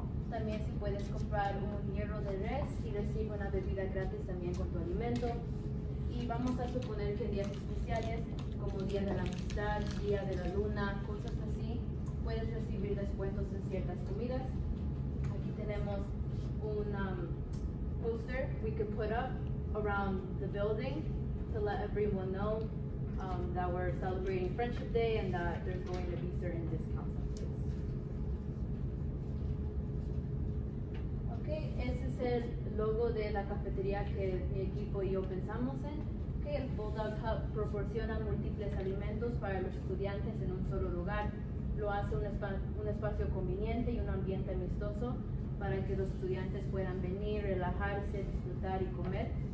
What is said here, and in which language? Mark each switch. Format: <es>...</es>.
<es>También si puedes comprar un hierro de res y recibir una bebida gratis también con tu alimento. Y vamos a suponer que días especiales como Día de la Amistad, Día de la Luna, cosas así, puedes recibir descuentos en ciertas comidas. Aquí tenemos un</es> <en>poster we could put up around the building to let everyone know that we're celebrating Friendship Day and that there's going to be certain discounts on this.</en> <es>Okay, ese es el logo de la cafetería que mi equipo y yo pensamos en. Okay, el Bulldog Hub proporciona múltiples alimentos para los estudiantes en un solo lugar. Lo hace un espacio conveniente y un ambiente amistoso para que los estudiantes puedan venir, relajarse, disfrutar y comer.</es>